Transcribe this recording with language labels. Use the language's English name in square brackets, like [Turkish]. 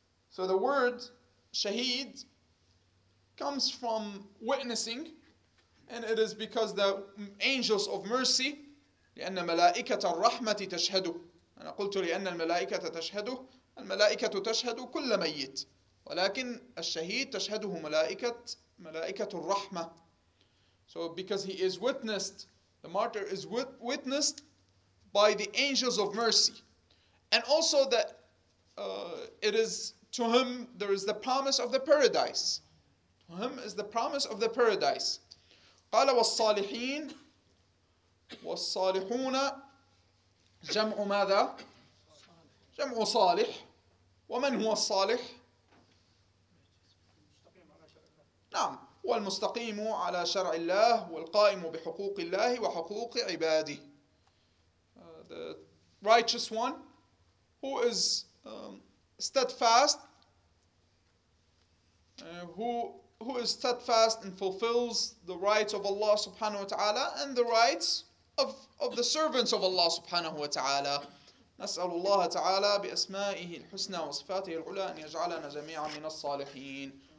[English] So the word شهيد comes from witnessing and it is because the angels of mercy, [Arabic] لأن ملائكة الرحمة تشهده. أنا قلت لأن الملائكة تشهده. الملائكة تشهد كل ميت ولكن الشهيد تشهده ملائكة الرحمة. [English] So because he is witnessed, the martyr is witnessed by the angels of mercy. And also that it is to him, there is the promise of the paradise. To him is the promise of the paradise. [Arabic] قال والصالحين. والصالحون جمع ماذا؟ جمع صالح. ومن هو الصالح؟ نعم والمستقيم على شرع الله والقائم بحقوق الله وحقوق عباده. [English] The righteous one who is steadfast, who is steadfast and fulfills the rights of Allah subhanahu wa ta'ala and the rights of the servants of Allah subhanahu wa ta'ala. [Arabic] نسأل الله تعالى بأسمائه الحسنى وصفاته العلى أن يجعلنا جميعا من الصالحين.